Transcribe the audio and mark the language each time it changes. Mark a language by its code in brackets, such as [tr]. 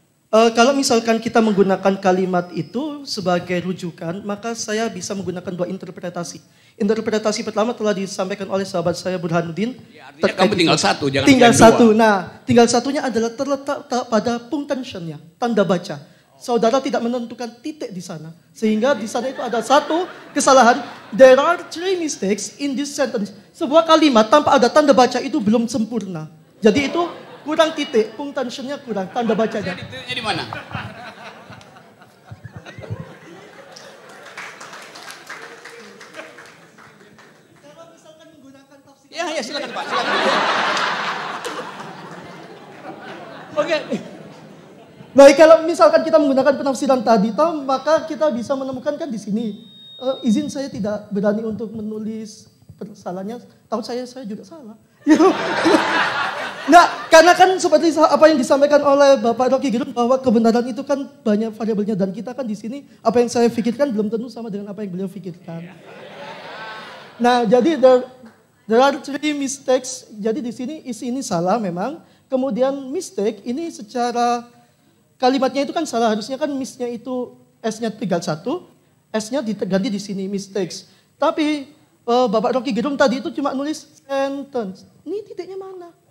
[id] Kalau misalkan kita menggunakan kalimat itu sebagai rujukan, maka saya bisa menggunakan dua interpretasi. Interpretasi pertama telah disampaikan oleh sahabat saya Burhanuddin. Ya, artinya kamu tinggal satu, jangan tinggal satu. Dua. Nah, tinggal satunya adalah terletak pada punctuation-nya, tanda baca. Saudara tidak menentukan titik di sana. Sehingga di sana itu ada satu kesalahan. [en] There are three mistakes in this sentence. [id] Sebuah kalimat tanpa ada tanda baca itu belum sempurna. Jadi itu kurang titik, punctuation-nya kurang, tanda bacanya. Jadi mana? Ya, ya silakan Pak. Oke. Okay. Baik, kalau misalkan kita menggunakan penafsiran tadi, Tom, maka kita bisa menemukan kan di sini. Izin saya tidak berani untuk menulis kesalahannya. Tahu saya juga salah. Nah, karena kan seperti apa yang disampaikan oleh Bapak Rocky Gerung, bahwa kebenaran itu kan banyak variabelnya. Dan kita kan di sini, apa yang saya pikirkan belum tentu sama dengan apa yang beliau pikirkan. Nah, jadi [en] there are three mistakes. [id] Jadi di sini isi ini salah memang. Kemudian mistake ini secara kalimatnya itu kan salah. Harusnya kan miss-nya itu S-nya tinggal satu, S-nya diganti di sini, mistakes. Tapi Bapak Rocky Gerung tadi itu cuma nulis sentence. Ini titiknya mana?